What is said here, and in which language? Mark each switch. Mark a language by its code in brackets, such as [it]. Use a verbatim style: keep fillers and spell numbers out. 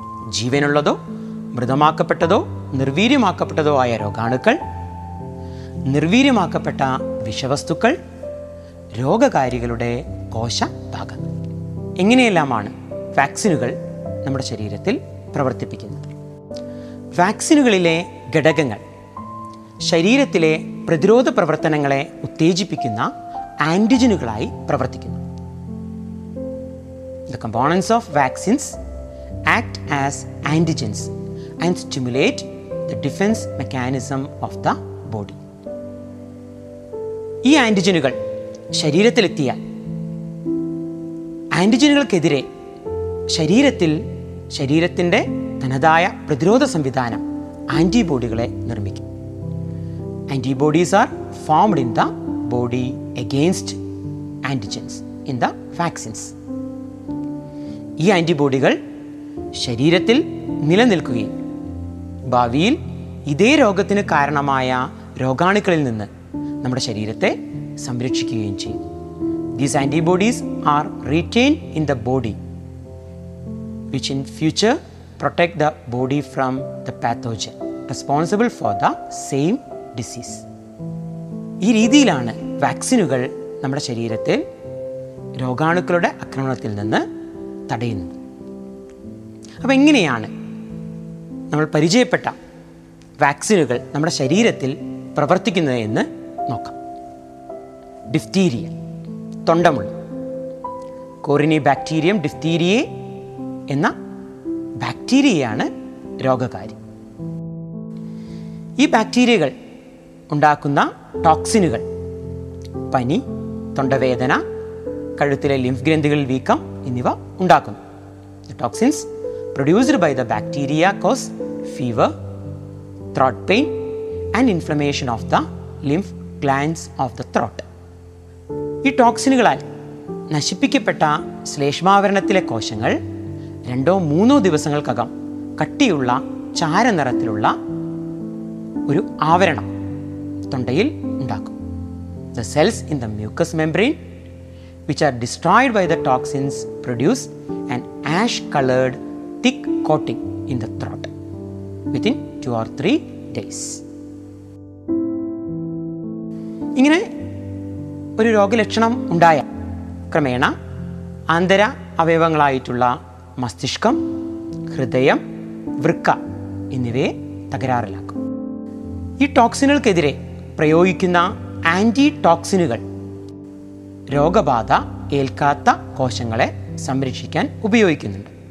[ml] ജീവനുള്ളതോ മൃതമാക്കപ്പെട്ടതോ നിർവീര്യമാക്കപ്പെട്ടതോ ആയ രോഗാണുക്കൾ, നിർവീര്യമാക്കപ്പെട്ട വിഷവസ്തുക്കൾ, രോഗകാരികളുടെ കോശഭാഗങ്ങൾ. എങ്ങനെയെല്ലാമാണ് വാക്സിനുകൾ നമ്മുടെ ശരീരത്തിൽ പ്രവർത്തിപ്പിക്കുന്നത്? വാക്സിനുകളിലെ ഘടകങ്ങൾ ശരീരത്തിലെ പ്രതിരോധ പ്രവർത്തനങ്ങളെ ഉത്തേജിപ്പിക്കുന്ന ആൻറ്റിജനുകളായി പ്രവർത്തിക്കുന്നു. [en] The components of vaccines act as antigens and stimulate the defense mechanism of the body. [ml] ഈ ആൻറ്റിജനുകൾ ശരീരത്തിലെത്തിയാൽ ആൻറ്റിജനുകൾക്കെതിരെ ശരീരത്തിൽ ശരീരത്തിൻ്റെ തനതായ പ്രതിരോധ സംവിധാനം ആൻറ്റിബോഡികളെ നിർമ്മിക്കും. [en] Antibodies are formed in the body against antigens in the vaccines. [ml] ഈ ആൻറ്റിബോഡികൾ ശരീരത്തിൽ നിലനിൽക്കുകയും ഭാവിയിൽ ഇതേ രോഗത്തിന് കാരണമായ രോഗാണുക്കളിൽ നിന്ന് നമ്മുടെ ശരീരത്തെ സംരക്ഷിക്കുകയും ചെയ്യും. [en] These antibodies are retained in the body, which in future protect the body from the pathogen responsible for the same disease. [ml] ഈ രീതിയിലാണ് വാക്സിനുകൾ നമ്മുടെ ശരീരത്തിൽ രോഗാണുക്കളുടെ ആക്രമണത്തിൽ നിന്ന് തടയുന്നത്. അപ്പോൾ എങ്ങനെയാണ് നമ്മൾ പരിചയപ്പെട്ട വാക്സിനുകൾ നമ്മുടെ ശരീരത്തിൽ പ്രവർത്തിക്കുന്നത് എന്ന് നോക്കാം. ഡിഫ്തീരിയ, തൊണ്ടമുള്ള കോറിനി ബാക്ടീരിയം ഡിഫ്തീരിയെ എന്ന ബാക്ടീരിയയാണ് രോഗകാരി. ഈ ബാക്ടീരിയകൾ ഉണ്ടാക്കുന്ന ടോക്സിനുകൾ പനി, തൊണ്ടവേദന, കഴുത്തിലെ ലിംഫ് ഗ്രന്ഥികളിൽ വീക്കം എന്നിവ ഉണ്ടാക്കുന്നു. [en] The toxins produced by the bacteria cause fever, throat pain and inflammation of the lymph glands of the throat. [ml] ഈ ടോക്സിനുകളാൽ നശിപ്പിക്കപ്പെട്ട ശ്ലേഷ്മാവരണത്തിലെ കോശങ്ങൾ രണ്ടോ മൂന്നോ ദിവസങ്ങൾക്കകം കട്ടിയുള്ള ചാരനിറത്തിലുള്ള ഒരു ആവരണം തൊണ്ടയിൽ ഉണ്ടാക്കും. [en] The cells in the mucous membrane, which are destroyed by the toxins, produce an ash-colored thick coating in the throat within two or three days. [ml] ഇങ്ങനെ ഒരു രോഗലക്ഷണം ഉണ്ടായാൽ ക്രമേണ ആന്തര അവയവങ്ങളായിട്ടുള്ള മസ്തിഷ്കം, ഹൃദയം, വൃക്ക എന്നിവയെ തകരാറിലാക്കും. ഈ ടോക്സിനുകൾക്കെതിരെ പ്രയോഗിക്കുന്ന ആൻറ്റി ടോക്സിനുകൾ രോഗബാധ ഏൽക്കാത്ത കോശങ്ങളെ സംരക്ഷിക്കാൻ ഉപയോഗിക്കുന്നുണ്ട്.